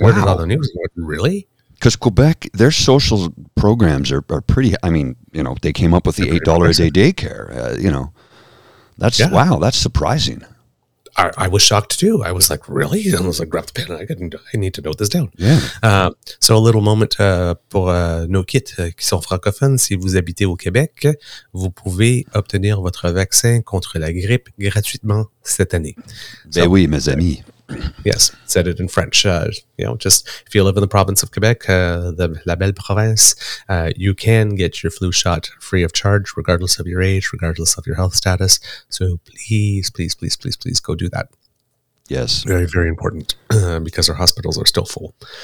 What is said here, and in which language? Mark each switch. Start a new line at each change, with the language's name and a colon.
English: Wow. I heard it on the news. Really? Because Quebec, their social programs are pretty, I mean, you know, they came up with the $8 a day care, you know. That's, yeah. Wow, that's surprising. I was shocked too. I was like, really? And I was like, grab the pen. I need to note this down. Yeah. So a little moment
French: pour nos kits qui sont francophones. Si vous habitez au Québec, vous pouvez obtenir votre vaccin contre la grippe gratuitement cette année. Ben so, oui, mes amis.
English: Yes, said it in French. You know, just if you live in the province of Quebec, the La Belle Province, you can get your flu shot free of charge, regardless of your age, regardless of your health status. So please, please, please, please, please go do that. Yes. Very, very important because our hospitals are still full.